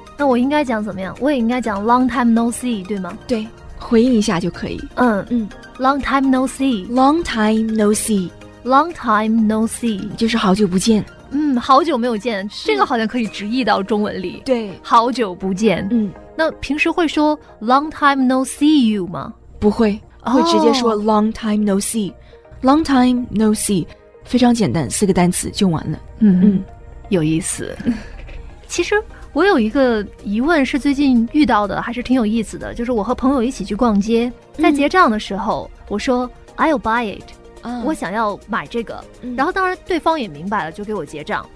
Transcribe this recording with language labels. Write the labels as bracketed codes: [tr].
[zh] 那我应该讲怎么样？我也应该讲 [en] long time no see, [zh] 对吗？对，回应一下就可以。 [en] Long time no see. Long time no see. Long time no see. [zh] 就是好久不见。嗯，好久没有见，这个好像可以直译到中文里。对，好久不见。嗯，那平时会说 [en] long time no see you [zh] 吗？不会，会直接说 [en] long time no see. Long time no see. [zh] 非常简单，四个单词就完了。有意思。其实我有一个疑问是最近遇到的，还是挺有意思的，就是我和朋友一起去逛街，在结账的时候我说 [en] I'll buy it、 [zh] 我想要买这个、然后当然对方也明白了，就给我结账。